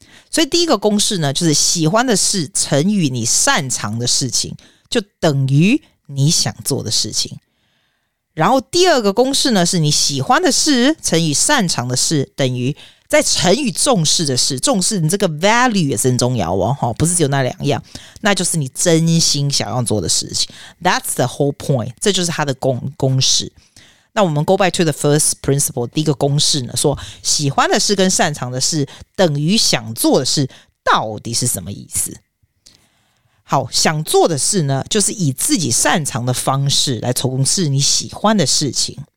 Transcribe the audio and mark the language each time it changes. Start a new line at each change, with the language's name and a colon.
Chinese: 所以第一个公式呢，就是喜欢的事乘以你擅长的事情，就等于你想做的事情。然后第二个公式呢，是你喜欢的事乘以擅长的事，等于再乘以重视的事。重视你这个 value 也是很重要哦，不是只有那两样，那就是你真心想要做的事情。
English: That's the whole point，这就是它的 公式。
Chinese: 那我们 go back to the first principle，第一个公式呢，说喜欢的事跟擅长的事等于想做的事，到底是什么意思？好，想做的事呢，就是以自己擅长的方式来从事你喜欢的事情。